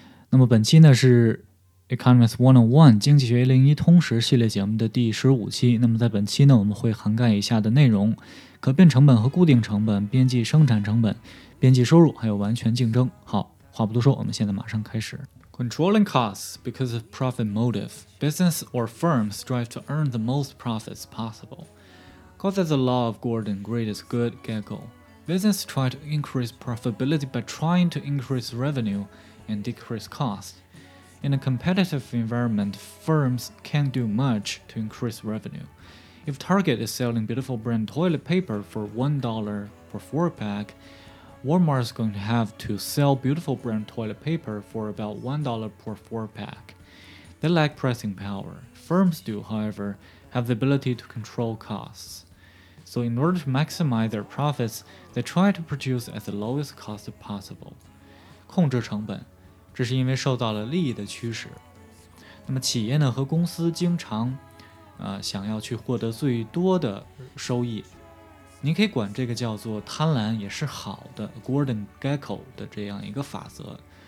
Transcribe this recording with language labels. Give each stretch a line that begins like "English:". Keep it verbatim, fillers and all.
Chinese: 那么本期呢是 Economics 一零一经济学一零一通识系列节目的第十五期。那么在本期呢，我们会涵盖以下的内容：可变成本和固定成本、边际生产成本、边际收入，还有完全竞争。好，话不多说，我们现在马上开始。
English: Controlling costs because of profit motive. Business or firms strive to earn the most profits possible. Call that the law of Gordon Great's good gaggle. Business try to increase profitability by trying to increase revenue and decrease cost. In a competitive environment, firms can't do much to increase revenue. If Target is selling beautiful brand toilet paper for one dollar per four-pack, Walmart's going to have to sell beautiful brand toilet paper for about one dollar per four-pack. They lack pricing power. Firms do, however, have the ability to control costs. So in order to maximize their profits, they try to produce at the lowest cost possible.
Chinese: 控制成本，这是因为受到了利益的驱使。那么企业呢和公司经常、呃、想要去获得最多的收益，你可以管这个叫做贪婪也是好的 Gordon Gekko 的这样一个法则。